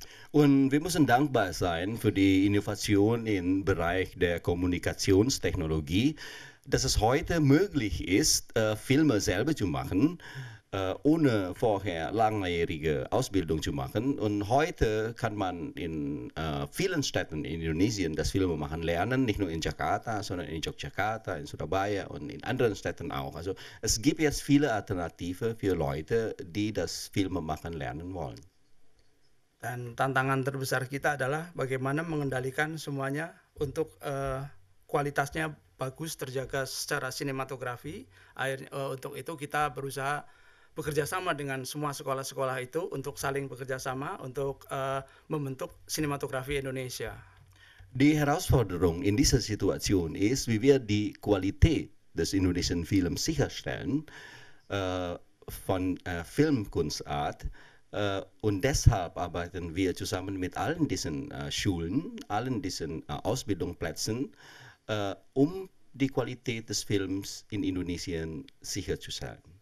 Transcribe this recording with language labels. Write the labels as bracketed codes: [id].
[de] Und wir müssen dankbar sein für die Innovation im Bereich der Kommunikationstechnologie, dass es heute möglich ist, Filme selber zu machen, ohne vorher langjährige Ausbildung zu machen. Und heute kann man in vielen Städten in Indonesien das Filmemachen lernen, nicht nur in Jakarta, sondern in Yogyakarta, in Surabaya und in anderen Städten auch. Also es gibt jetzt viele Alternative für Leute, die das Filmemachen lernen wollen. [id] Dan tantangan terbesar kita adalah bagaimana mengendalikan semuanya untuk kualitasnya bagus terjaga secara sinematografi. Untuk itu kita berusaha bekerja sama dengan semua sekolah-sekolah itu untuk saling bekerja sama untuk membentuk sinematografi Indonesia. [de] Die Herausforderung in dieser Situation ist, wie wir die Qualität des indonesischen Films sicherstellen von Filmkunstart. Und deshalb arbeiten wir zusammen mit allen diesen Schulen, allen diesen Ausbildungsplätzen, um die Qualität des Films in Indonesien sicherzustellen.